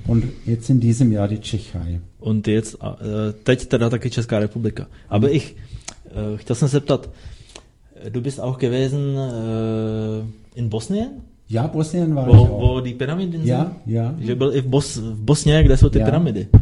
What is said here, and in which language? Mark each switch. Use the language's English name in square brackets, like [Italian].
[German] Und jetzt in diesem Jahr die Tschechei. Und jetzt [Czech] teď teda taky Česká republika. Aby [German] ich [Czech] chtěl jsem se zeptat, [German] du bist auch gewesen in Bosnien? Ja, Bosnien war wo die Pyramiden sind. Ja, ja. [Czech] Že byl i v Bosně, kde jsou ty pyramidy.